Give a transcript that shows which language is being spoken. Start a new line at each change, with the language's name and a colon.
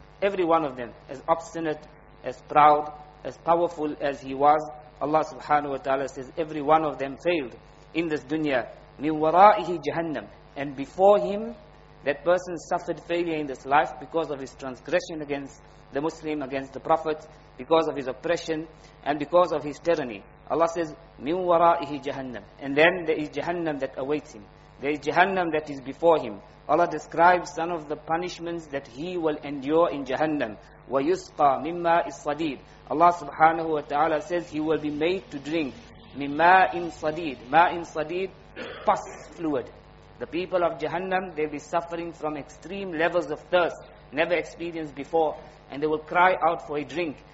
English: Every one of them, as obstinate, as proud, as powerful as he was, Allah subhanahu wa ta'ala says, every one of them failed in this dunya.
Arabic: مِنْ وَرَائِهِ جَهَنَّمٍ.
English: And before him, that person suffered failure in this life because of his transgression against the Muslim, against the Prophet, because of his oppression, and because of his tyranny. Allah says,
Arabic: مِنْ وَرَائِهِ جَهَنَّمْ.
English: And then there is Jahannam that awaits him. There is Jahannam that is before him. Allah describes some of the punishments that he will endure in Jahannam.
Arabic: وَيُسْقَى مِمَّا الصَّدِيدِ.
English: Allah subhanahu wa ta'ala says he will be made to drink
Arabic: مِمَّا الصَّدِيدِ. مَاءٍ صَدِيدِ,
English: pus fluid. The people of Jahannam, they'll be suffering from extreme levels of thirst never experienced before, and they will cry out for a drink.